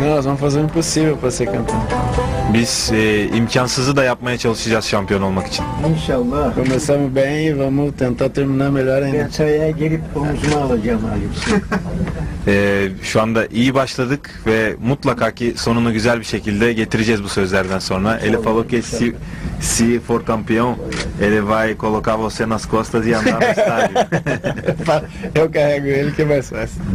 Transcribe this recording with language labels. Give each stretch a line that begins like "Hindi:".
Portuguese: Nós vamos fazer o impossível para ser campeão.
Turkish: Biz imkansızı da yapmaya çalışacağız şampiyon olmak için. İnşallah.
Portuguese: Começamos bem e vamos tentar terminar melhor ainda.
Turkish: Ben çaya gelip omuzuma alacağım abi. Şu anda iyi başladık ve mutlaka ki sonunu güzel bir şekilde getireceğiz bu sözlerden sonra.
Portuguese: Ele falou que se for campeão, ele vai colocar você nas costas e andar no estádio. Eu carrego ele que mais fácil.